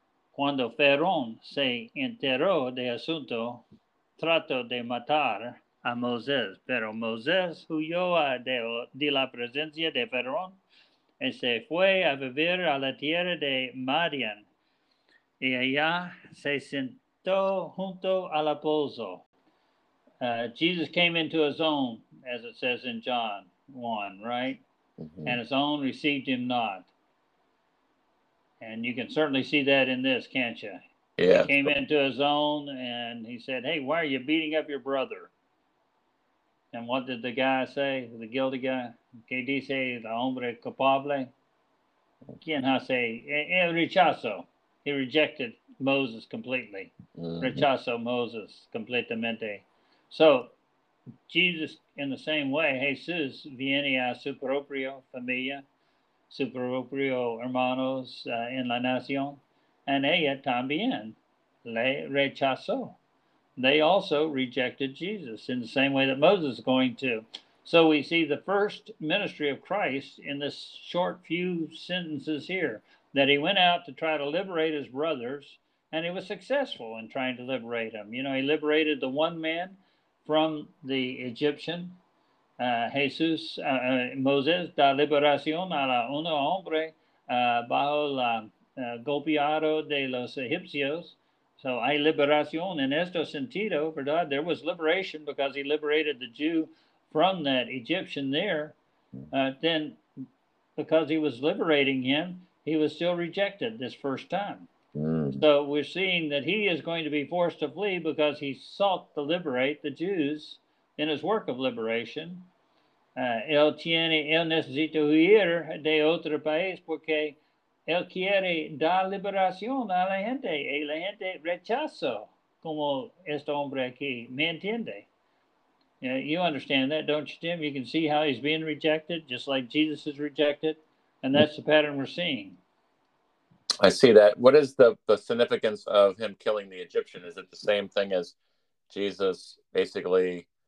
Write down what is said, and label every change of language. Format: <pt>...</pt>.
<es>Cuando Faraón se enteró del asunto, trató de matar a Moisés, pero Moisés huyó de la presencia de Faraón y se fue a vivir a la tierra de Madian. Y allá se sentó junto al pozo.</es> <en>Jesus came into his own, as it says in John 1, right? Mm-hmm. And his own received him not. And you can certainly see that in this, can't you? Yeah. He came into his own and he said, hey, why are you beating up your brother? And what did the guy say, the guilty guy?</en> <es>¿Qué dice el hombre culpable? ¿Quién hace? El rechazo.</es> <en>He rejected Moses completely.</en> <es>Mm-hmm. Rechazo Moses completamente.</es> <en>So, Jesus, in the same way,</en> <es>Jesus viene a su propia familia, su propio hermanos en la nación, and ella también le rechazó.</es> <en>They also rejected Jesus in the same way that Moses is going to. So we see the first ministry of Christ in this short few sentences here, that he went out to try to liberate his brothers, and he was successful in trying to liberate them. You know, he liberated the one man from the Egyptian,</en> <es>Jesús, Moisés, da liberación a la uno hombre bajo la golpeado de los egipcios. So hay liberación en este sentido, ¿verdad?</es> <en>There was liberation because he liberated the Jew from that Egyptian there. Then because he was liberating him, he was still rejected this first time. So we're seeing that he is going to be forced to flee because he sought to liberate the Jews in his work of liberation.</en> <es>Él necesita huir de otro país porque él quiere dar liberación a la gente. Y la gente rechazó como este hombre aquí. ¿Me entiende?</es> <en>You understand that, don't you, Tim? You can see how he's being rejected, just like Jesus is rejected. And that's the pattern we're seeing. I see that. What is the significance of him killing the Egyptian? Is it the same thing as Jesus basically?</en>